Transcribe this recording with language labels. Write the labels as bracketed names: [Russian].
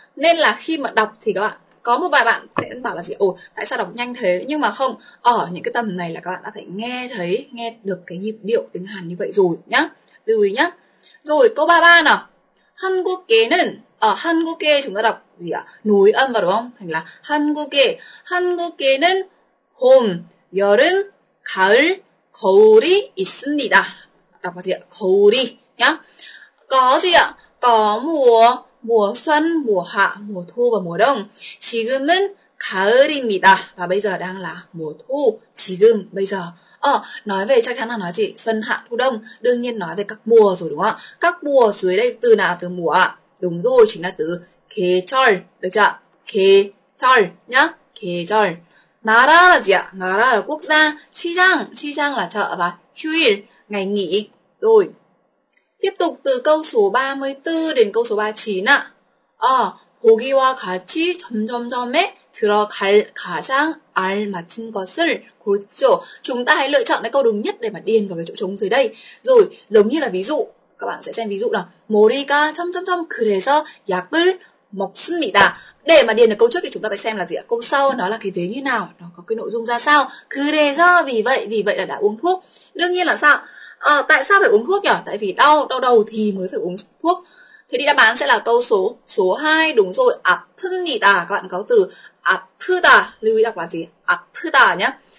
[Vietnamese] Nên là khi mà đọc thì các bạn, có một vài bạn sẽ bảo là gì? Ồ, tại sao đọc nhanh thế? Nhưng mà không, ở những cái tầm này là các bạn đã phải nghe thấy, nghe được cái nhịp điệu tiếng Hàn như vậy rồi nhá. Lưu ý nhá. Rồi, câu 33 nào. 한국에는, ở 한국에 chúng ta đọc gì ạ? Nối âm vào đúng không? Thành là 한국에. [Korean] 한국에는 봄, 여름, 가을, 겨울이 있습니다. 라고 하지요. 겨울이 [Vietnamese] nhá. Có gì ạ? Có mùa, mùa xuân, mùa hạ, mùa thu và mùa đông. [Korean] 지금은 가을입니다. [Vietnamese] Và bây giờ đang là mùa thu. 지금 bây giờ. Nói về chắc chắn là nói gì? Xuân, hạ, thu, đông. Đương nhiên nói về các mùa rồi đúng không ạ? Các mùa dưới đây từ nào? Từ mùa ạ? Đúng rồi, chính là từ 계절, được chưa? 계절 nhá, 계절. 나라 là gì ạ? 나라 là quốc gia. 시장, 시장 là chợ và 휴일, ngày nghỉ. Rồi, tiếp tục từ câu số 34 đến câu số 39 ạ. [Korean] 보기와 같이 점점점에 들어갈 가장 알맞은 것을 고르십시오. [Vietnamese] Chúng ta hãy lựa chọn cái câu đúng nhất để mà điền vào cái chỗ trống dưới đây. Rồi, giống như là ví dụ. Các bạn sẽ xem ví dụ nào. [Korean] 머리가 점점점 그래서 약을 먹습니다. [Vietnamese] Để mà điền được câu trước thì chúng ta phải xem là gì ạ? Câu sau nó là cái thế như nào? Nó có cái nội dung ra sao? 그래서 vì vậy là đã uống thuốc. Đương nhiên là sao? Tại sao phải uống thuốc nhỉ? Tại vì đau, đau đầu thì mới phải uống thuốc. Thế thì đáp án sẽ là câu số 2. Đúng rồi, 아픕니다. Các bạn có từ 아프다. Lưu ý đọc là gì? 아프다 nhá.